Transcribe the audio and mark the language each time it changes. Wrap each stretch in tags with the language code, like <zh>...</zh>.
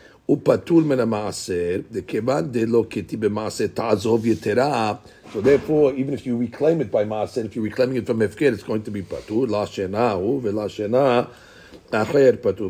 <he>ופטול מן המעשר, וכיוון דלו כתיב במעשר, תעזוב יתרה.</he> <en>So therefore, even if you reclaim it by מעשר, if you're reclaiming it from הפקר, it's going to be פטול.</en> <he>לא שינה הוא ולא שינה אחר פטול.</he>